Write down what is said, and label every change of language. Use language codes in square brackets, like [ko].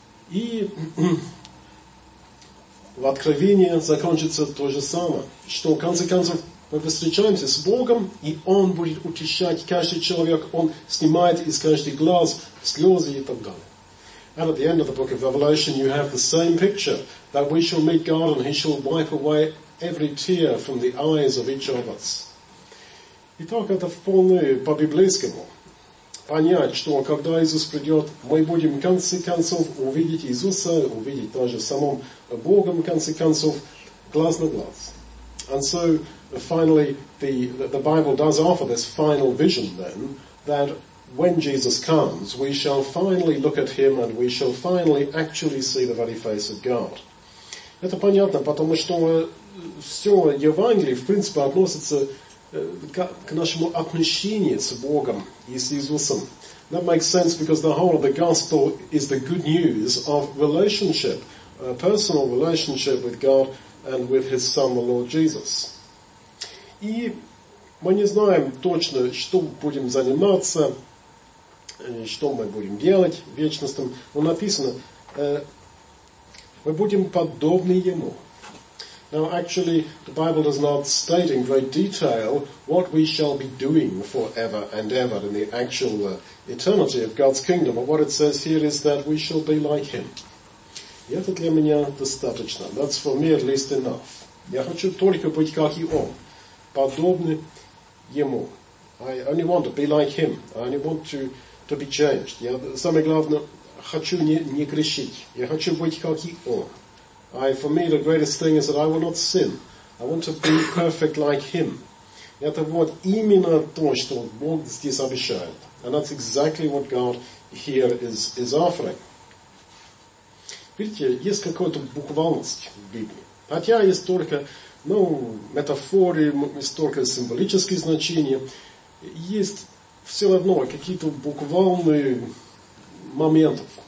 [ru] И в Откровении закончится то же самое, что в конце концов мы встречаемся с Богом, и Он будет утешать каждый человек, Он снимает из каждого глаз слезы и так далее. [en] And at the end of the book of Revelation, you have the same picture, that we shall meet God and He shall wipe away every tear from the eyes of each of us. [ru] Итак, это вполне по-библейскому. Понять, что когда Иисус придет, мы будем, в конце концов, увидеть Иисуса, увидеть даже самым Богом, в конце концов, глаз на глаз. [en] And so, finally, the Bible does offer this final vision, then, that when Jesus comes, we shall finally look at him and we shall finally actually see the very face of God. [ru] Это понятно, потому что все Евангелие, в принципе, относится к нашему отношению с Богом и с Иисусом. [en] That makes sense because the whole of the gospel is the good news of relationship, a personal relationship with God and with his Son, the Lord Jesus. [ru] И мы не знаем точно, что будем заниматься, что мы будем делать в вечностном, но написано, мы будем подобны Ему. [en] Now, actually, the Bible does not state in great detail what we shall be doing forever and ever in the actual eternity of God's kingdom, but what it says here is that we shall be like Him. [ru] И это для меня достаточно. [en] That's for me at least enough. [ru] Я хочу только быть как и Он, подобны Ему. [en] I only want to be like Him. I only want to be changed. [ru] Я, самое главное, хочу не грешить. Я хочу быть как и Он. [en] For me, the greatest thing is that I will not sin. I want to be perfect like Him. [ru] Это вот именно то, что Бог здесь обещает. [en] And that's exactly what God here is offering. [ru] Видите, есть какая-то буквальность в Библии. Хотя есть только, ну, метафоры, есть только символические значения. Есть все равно какие-то буквальные моменты.